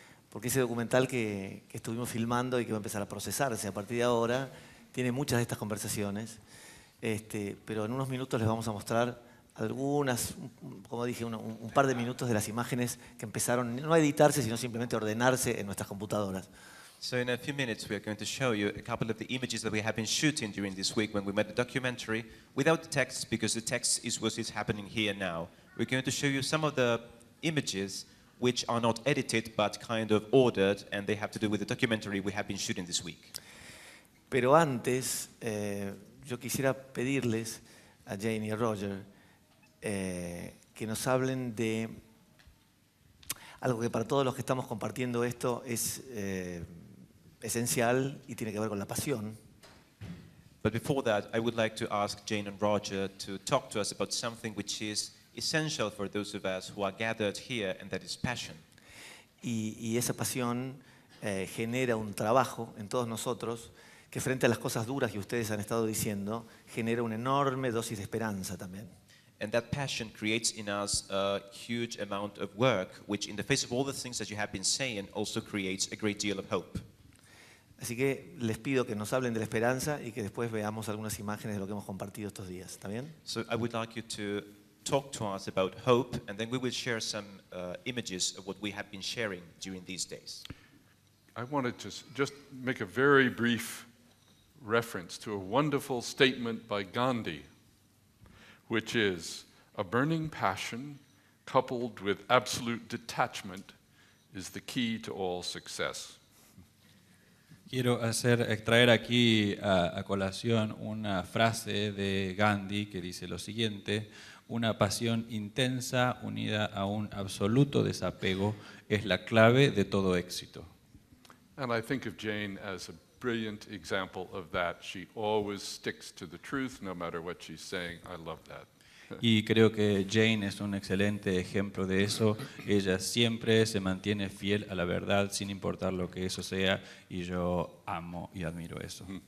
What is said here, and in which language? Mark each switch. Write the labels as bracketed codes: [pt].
[es] Porque ese documental que estuvimos filmando y que va a empezar a procesarse a partir de ahora, tiene muchas de estas conversaciones. Pero en unos minutos les vamos a mostrar algunas, como dije, un par de minutos de las imágenes que empezaron no a editarse, sino simplemente a ordenarse en nuestras computadoras. [en] So in a few minutes we are going to show you a couple of the images that we have been shooting during this week when we made the documentary without the text, because the text is what is happening here now. We're going to show you some of the images which are not edited but kind of ordered, and they have to do with the documentary we have been shooting this week. [es] Pero antes, yo quisiera pedirles a Jane y a Roger que nos hablen de algo que para todos los que estamos compartiendo esto es esencial y tiene que ver con la pasión. [en] But before that, I would like to ask Jane and Roger to talk to us about something which is essential for those of us who are gathered here, and that is passion. [es] Y esa pasión genera un trabajo en todos nosotros que, frente a las cosas duras que ustedes han estado diciendo, genera una enorme dosis de esperanza también. [en] And that passion creates in us a huge amount of work, which in the face of all the things that you have been saying also creates a great deal of hope. [es] Así que les pido que nos hablen de la esperanza y que después veamos algunas imágenes de lo que hemos compartido estos días, ¿está bien? [en] So I would like you to talk to us about hope, and then we will share some images of what we have been sharing during these days. I wanted to just make a very brief reference to a wonderful statement by Gandhi, which is, a burning passion coupled with absolute detachment is the key to all success. [es] Quiero hacer extraer aquí a colación una frase de Gandhi que dice lo siguiente: una pasión intensa unida a un absoluto desapego es la clave de todo éxito. [en] And I think of Jane as a brilliant example of that. She always sticks to the truth no matter what she's saying. I love that. [es] Y creo que Jane es un excelente ejemplo de eso. Ella siempre se mantiene fiel a la verdad sin importar lo que eso sea, y yo amo y admiro eso.